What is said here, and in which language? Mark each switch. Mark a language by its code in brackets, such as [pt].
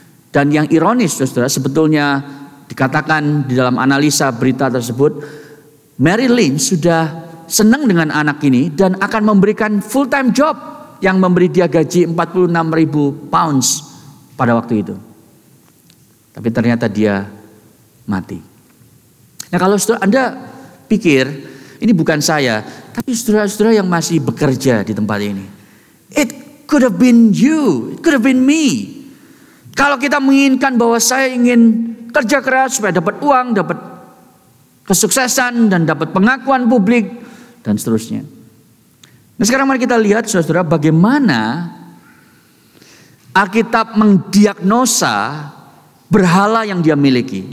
[id] Dan yang ironis, Saudara, sebetulnya dikatakan di dalam analisa berita tersebut, Merrill Lynch sudah senang dengan anak ini dan akan memberikan full time job yang memberi dia gaji £46.000 pada waktu itu. Tapi ternyata dia mati. Nah kalau saudara Anda pikir, ini bukan saya, tapi saudara-saudara yang masih bekerja di tempat ini. [en] It could have been you, it could have been me. [id] Kalau kita menginginkan bahwa saya ingin kerja keras supaya dapat uang, dapat kesuksesan, dan dapat pengakuan publik, dan seterusnya. Nah sekarang mari kita lihat saudara-saudara bagaimana Alkitab mendiagnosa berhala yang dia miliki.